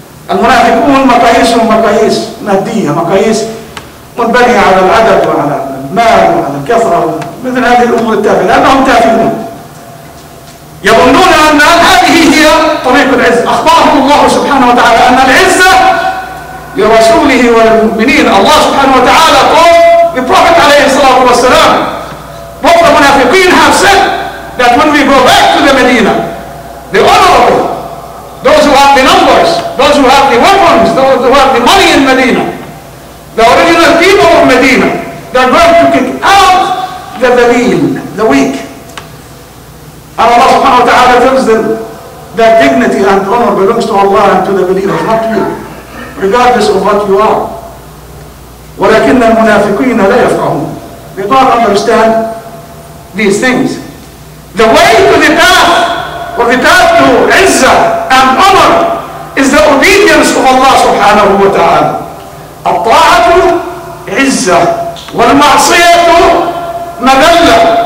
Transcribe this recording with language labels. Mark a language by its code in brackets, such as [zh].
[ar] المنافقون مقاييسهم مقاييس مادية، مقاييس منبنية على العدد وعلى المال وعلى الكثرة، مثل هذه الأمور التافهة، لأنهم تافهون. يظنون أن هذه هي طريق العزة. أخبرهم الله سبحانه وتعالى أن العزة لرسوله وللمؤمنين. الله سبحانه وتعالى قال للبروفيت عليه الصلاة والسلام، [en] both the Munafiqeen have said that when we go back to the Medina, the honorable, those who have the numbers, those who have the weapons, those who have the money in Medina, the original people of Medina, they're going to kick out the dhaleel, the weak. And Allah subhanahu wa ta'ala tells them that dignity and honor belongs to Allah and to the believers, not to you, regardless of what you are. [ar] ولكن المنافقين لا يفقهون. [en] They don't understand these things. The way to the path, or the path to Izzah and honor, is the obedience of Allah subhanahu wa ta'ala. [ar] At-ta'atu Izzah, wal-ma'asiyatu madalla.